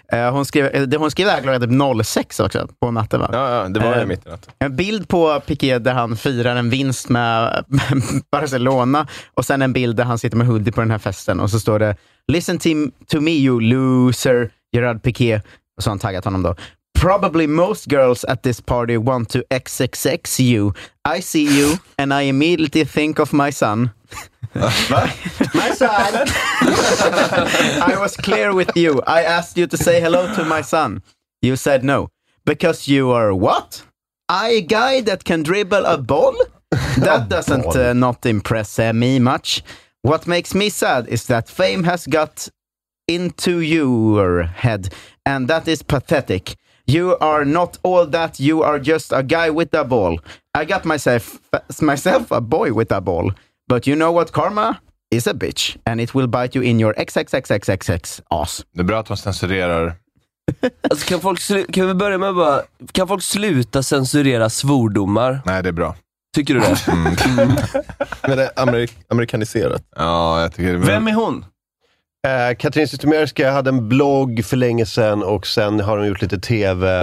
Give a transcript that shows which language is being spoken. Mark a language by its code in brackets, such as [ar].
[sv] Hon skrev här klockan 06 också på natten, va? Ja, det var mitt i natten. En bild på Piqué där han firar en vinst med Barcelona, och sen en bild där han sitter med hoodie på den här festen, och så står det, [en] listen to me you loser, [sv] Gerard Piqué, och så har han taggat honom då. [en] Probably most girls at this party want to XXX you. I see you and I immediately think of my son. My son! I was clear with you. I asked you to say hello to my son. You said no. Because you are what? A guy that can dribble a ball? That doesn't not impress me much. What makes me sad is that fame has got... into your head, and that is pathetic. You are not all that. You are just a guy with a ball. I got myself a boy with a ball, but you know what? Karma is a bitch, and it will bite you in your XXXXXX ass. [sv] Det är bra att man censurerar Alltså, kan vi börja med bara, kan folk sluta censurera svordomar? Nej, det är bra. Tycker du det? Mm. Men det är amerikaniserat. Ja, jag tycker det är... Vem är hon? Katrin Zytomierska hade en blogg för länge sedan och sen har de gjort lite tv.